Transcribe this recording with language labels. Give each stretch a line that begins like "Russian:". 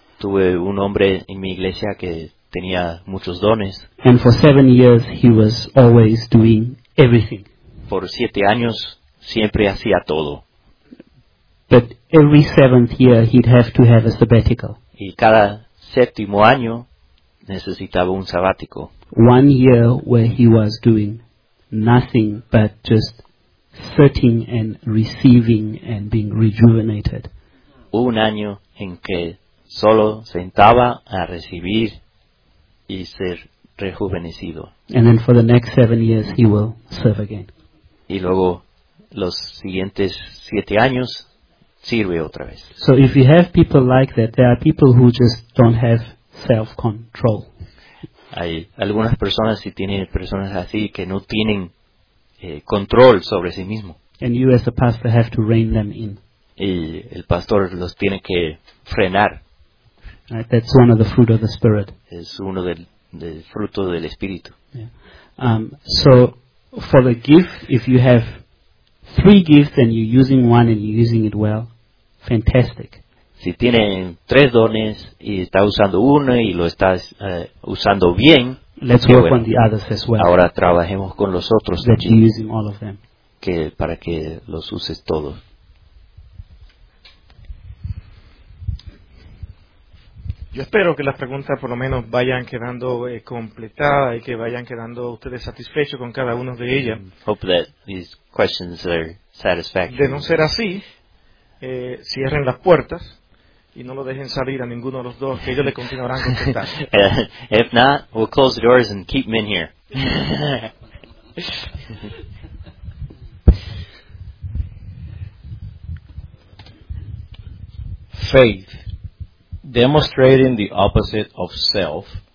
Spanish: Tuve un hombre en mi iglesia que tenía muchos dones.
English: And for 7 years he was always doing everything.
Spanish: Por 7 años siempre hacía todo.
English: But every seventh year he'd have to have a sabbatical.
Spanish: Y cada séptimo año necesitaba un sabático.
English: 1 year where he was doing nothing but just sitting and receiving and being rejuvenated.
Spanish: Un año en que solo sentaba a recibir y ser rejuvenecido.
English: And then for the next 7 years he will serve again.
Spanish: Y luego los siguientes 7 años sirve otra vez.
English: So if you have people like that, there are people who just don't have self-control.
Spanish: Hay algunas personas, si tienen personas así, que no tienen control sobre sí mismo.
English: And you as a pastor have to rein them in.
Spanish: Y el pastor los tiene que frenar.
English: Right, that's one of the fruit of the Spirit.
Spanish: Es uno del fruto del Espíritu.
English: Yeah. So, for the gift, if you have 3 gifts and you're using one and you're using it well, fantastic.
Spanish: Si tiene 3 dones y está usando uno y lo está usando bien,
English: let's work on the others as well.
Spanish: Ahora trabajemos con los otros también, que para que los uses todos. Yo espero que las preguntas por lo menos vayan quedando completadas y que vayan quedando ustedes satisfechos con cada uno de ellas.
English: Hope that these questions are satisfactory.
Spanish: De no ser así, cierren las puertas y no lo dejen salir a ninguno de los dos, que ellos le continuarán contestando.
English: If not, we'll close the doors and keep them in here. Faith, demonstrating the opposite of self.